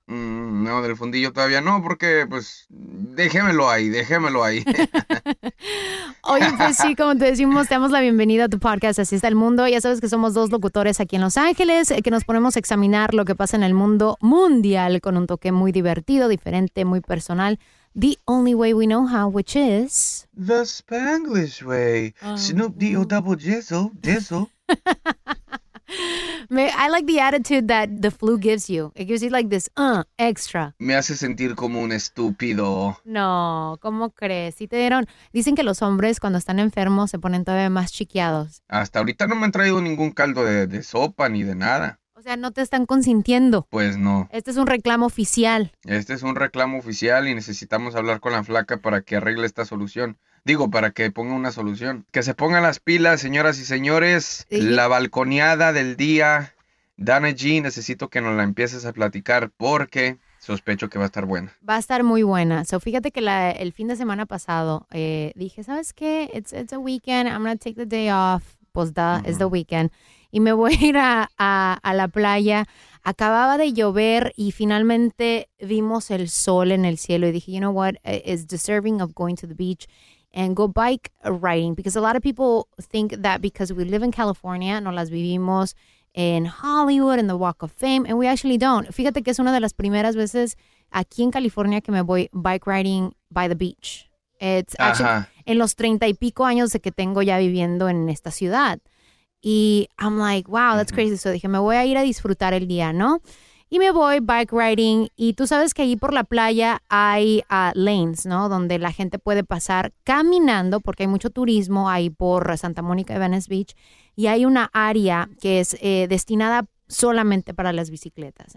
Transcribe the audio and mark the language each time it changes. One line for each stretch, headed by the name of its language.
Spanish: No, del fundillo todavía no, porque pues déjemelo ahí. Oye, pues sí, como te decimos, te damos la bienvenida a tu podcast, Así está el mundo. Ya sabes que somos dos locutores aquí en Los Ángeles, que nos ponemos a examinar lo que pasa en el mundo mundial con un toque muy divertido, diferente, muy personal.
English: The only way we know how, which is... The Spanglish way. Snoop D-O-double Jizzle, Dizzle. I like the attitude that the flu gives you. It gives you like this, extra.
Spanish: Me hace sentir como un estúpido. No, ¿cómo crees? Si te dieron, dicen que los hombres cuando están enfermos se ponen todavía más chiqueados. Hasta ahorita no me han traído ningún caldo de sopa ni de nada. O sea, no te están consintiendo. Pues no. Este es un reclamo oficial. Este es un reclamo oficial y necesitamos hablar con la flaca para que arregle esta solución. Digo, para que ponga una solución. Que se pongan las pilas, señoras y señores. ¿Sí? La balconeada del día. Dana G, necesito que nos la empieces a platicar porque sospecho que va a estar buena. Va a estar muy buena. So, fíjate que el fin de semana pasado dije, ¿sabes qué?
English: It's a weekend. I'm going to take the day off.
Spanish: Pues,
English: it's the weekend.
Spanish: Y me voy a ir a la playa. Acababa de llover y finalmente vimos el sol en el cielo. Y dije,
English: you know what? It's deserving of going to the beach. And go bike riding, because a lot of people think that because we live in California,
Spanish: no las vivimos en Hollywood, en
English: the Walk of Fame, and we actually don't.
Spanish: Fíjate que es una de las primeras veces aquí en California que me voy
English: bike riding by the beach. It's actually
Spanish: en los 30 y pico años de que tengo ya viviendo en esta ciudad.
English: Y I'm like, wow, that's crazy.
Spanish: So dije, me voy a ir a disfrutar el día, ¿no? Y me voy
English: bike riding
Spanish: y tú sabes que ahí por la playa hay lanes, ¿no? Donde la gente puede pasar caminando porque hay mucho turismo ahí por Santa Mónica y Venice Beach. Y hay una área que es destinada solamente para las bicicletas.